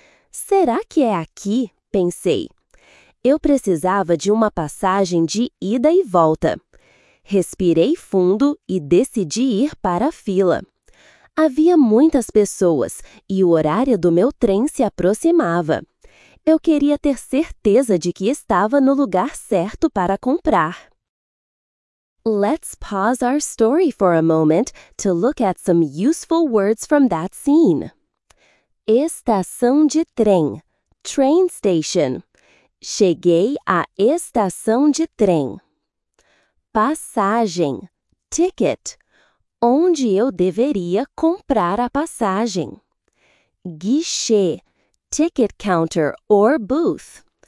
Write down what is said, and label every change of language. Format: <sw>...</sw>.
<pt>Será que é aqui? Pensei. Eu precisava de uma passagem de ida e volta. Respirei fundo e decidi ir para a fila. Havia muitas pessoas e o horário do meu trem se aproximava. Eu queria ter certeza de que estava no lugar certo para comprar.</pt> <en>Let's pause our story for a moment to look at some useful words from that scene.</en> <pt>Estação de trem.</pt> <en>Train station.</en> <pt>Cheguei à estação de trem. Passagem. Ticket. Onde eu deveria comprar a passagem?</pt> <en>Guichê. Ticket counter or booth.</en>